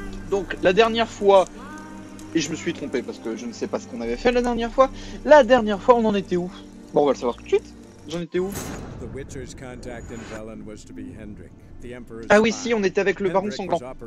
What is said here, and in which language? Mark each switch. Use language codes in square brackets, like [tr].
[fr] Donc la dernière fois, et je me suis trompé parce que je ne sais pas ce qu'on avait fait la dernière fois on en était où? Bon, on va le savoir tout de suite. J'en étais où? [en] The Witcher's contact in Velen was to be Hendrick. [fr] Ah oui, si, on était avec le Baron Sanglant.